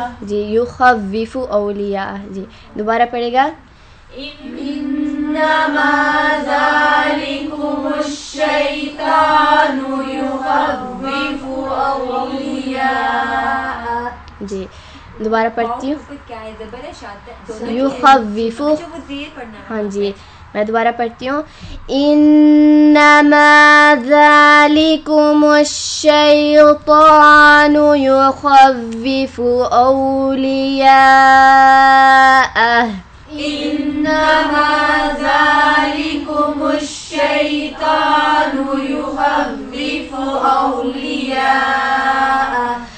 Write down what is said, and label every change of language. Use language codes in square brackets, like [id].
[ar] يخوف أولياء [ur] جی دوبارہ پڑھے گا [ar] إنما ذلكم الشيطان يخوف أولياء [ur] جی دوبارہ پڑھتی ہوں يخوف ہاں جی میں دوبارہ پڑھتی ہوں [ar] إنما ذلكم الشيطان يخوف أولياءه إنما ذلكم الشيطان يخوف أولياءه